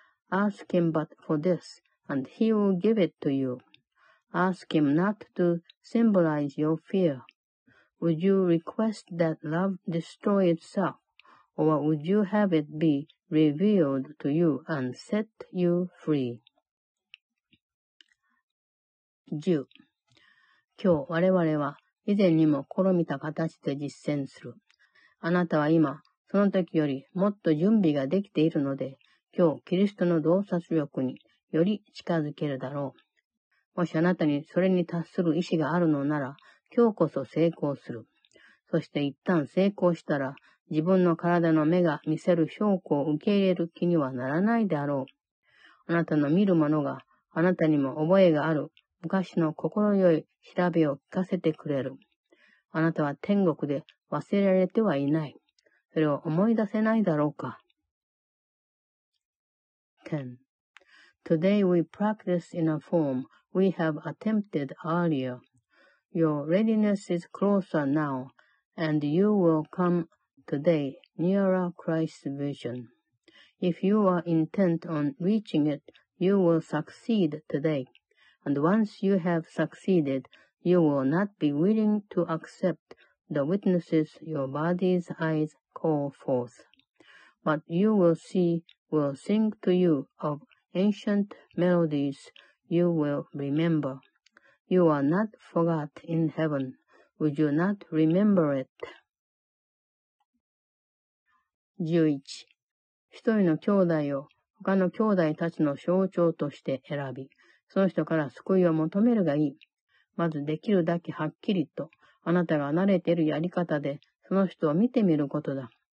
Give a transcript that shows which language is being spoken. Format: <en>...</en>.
<en>Ask him but for this, and he will give it to you. Ask him not to symbolize your fear. Would you request that love destroy itself, or would you have it be revealed to you and set you free?</en> <ja>10. 今日我々は以前にも試みた形で実践する。あなたは今、その時よりもっと準備ができているので、今日キリストの洞察力により近づけるだろう。もしあなたにそれに達する意志があるのなら、今日こそ成功する。そして一旦成功したら、自分の体の目が見せる証拠を受け入れる気にはならないであろう。あなたの見るものがあなたにも覚えがある。昔の心よい調べを聞かせてくれる。あなたは天国で忘れられてはいない。それを思い出せないだろうか。</ja> <en>10. Today we practice in a form we have attempted earlier. Your readiness is closer now, and you will come today nearer Christ's vision. If you are intent on reaching it You will succeed today. And once you have succeeded, you will not be willing to accept the witnesses your body's eyes call forth. What you will see will sing to you of ancient melodies you will remember. You are not forgot in heaven. Would you not remember it?</en> <ja>11 一人の兄弟を他の兄弟たちの象徴として選び、その人から救いを求めるがいい。まずできるだけはっきりと、あなたが慣れているやり方でその人を見てみることだ。</ja>